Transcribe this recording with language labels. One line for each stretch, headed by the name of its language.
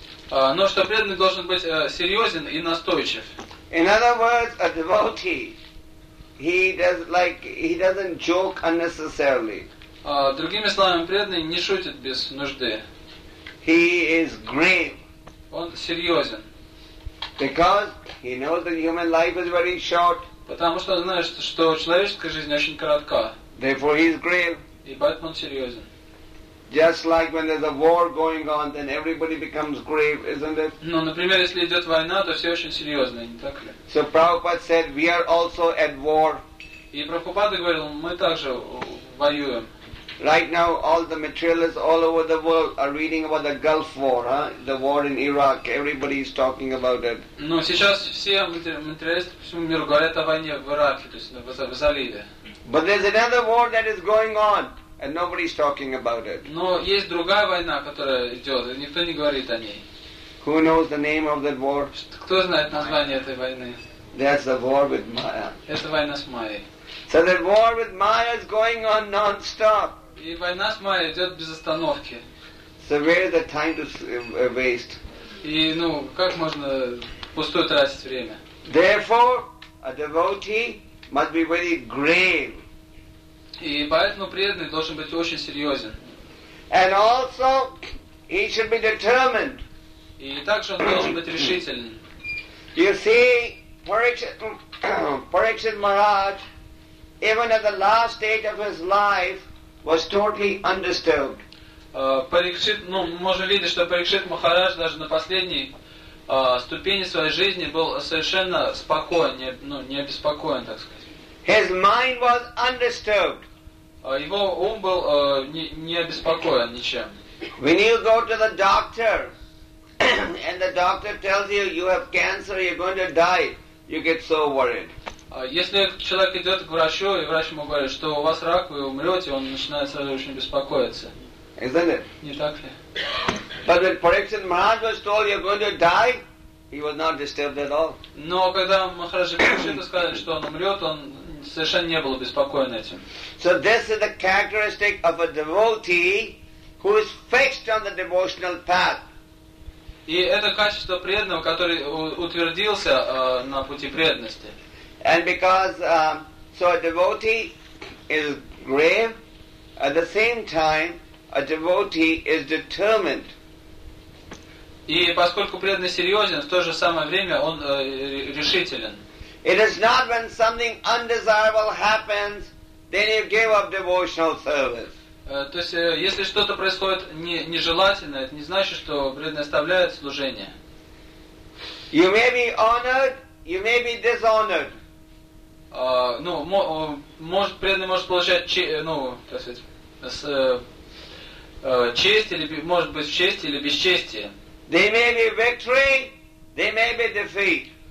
Russian: Но что преданный должен быть серьезен и настойчив.
English: In other words, a devotee, he doesn't joke unnecessarily.
Russian: Другими словами, преданный не шутит без нужды.
English: He is grave.
Russian: Он серьезен.
English: Because he knows that human life is very short.
Russian: Потому что он знает, что человеческая жизнь очень коротка.
English: Therefore, he is grave.
Russian: И поэтому он серьезен.
English: Just like when there's a war going on, then everybody becomes grave, isn't it?
Russian: Ну, например, если идет война, то все очень серьезные, не так ли?
English: So Prabhupada said, we are also at war.
Russian: И Прабхупада говорил, мы также воюем.
English: Right now, all the materialists all over the world are reading about the Gulf War, huh? The war in Iraq. Everybody is talking about it.
Russian: Ну, сейчас все материалисты по всему миру говорят о войне в Ираке, то есть в заливе.
English: But there's another war that is going on. And nobody's talking about it.
Russian: Но есть другая война, которая идет, и никто не говорит о ней.
English: Who knows the name of that war?
Russian: Кто знает название этой войны?
English: That's the war with Maya.
Russian: Это война с Майей.
English: So the war with Maya is going on non-stop.
Russian: И война с Майей идет без остановки.
English: So where is the time to waste?
Russian: И ну как можно пустую тратить время?
English: Therefore, a devotee must be very grave.
Russian: И поэтому преданный должен быть очень серьезен.
English: And also, he should be determined.
Russian: И также он должен быть решительным.
English: You see, Parikshit Maharaj, even at the last stage of his life, was totally undisturbed.
Russian: Парикшит, ну, можно видеть, что Парикшит Махарадж даже на последней ступени своей жизни был совершенно спокоен, не, ну, не обеспокоен, так сказать.
English: His mind was undisturbed.
Russian: Его ум был не обеспокоен ничем.
English: When you go to the doctor and the doctor tells you you have cancer, you're going to die, you get so worried.
Russian: Если человек идет к врачу и врач ему говорит, что у вас рак, вы умрете, он начинает сразу очень беспокоиться.
English: Isn't it?
Russian: Не так ли?
English: But when Parikshit Maharaj was told you're going to die, he was not disturbed at all.
Russian: Но когда Махараджи Парикшита сказали, что он умрет, он совершенно не был обеспокоен этим.
English: So this is the characteristic of a devotee who is fixed on the devotional path.
Russian: И это качество преданного, который утвердился на пути преданности.
English: And because so a devotee is grave, at the same time a devotee is determined.
Russian: И поскольку преданный серьезен, в то же самое время он решителен.
English: It is not when something undesirable happens, then you give up devotional service.
Russian: То есть, если что-то происходит нежелательное, это не значит, что преданный оставляет служение.
English: You may be honored, you may be dishonored.
Russian: Ну, может, преданный может получать честь, или может быть в честь или бесчестие.
English: There may be victory, there may be defeat.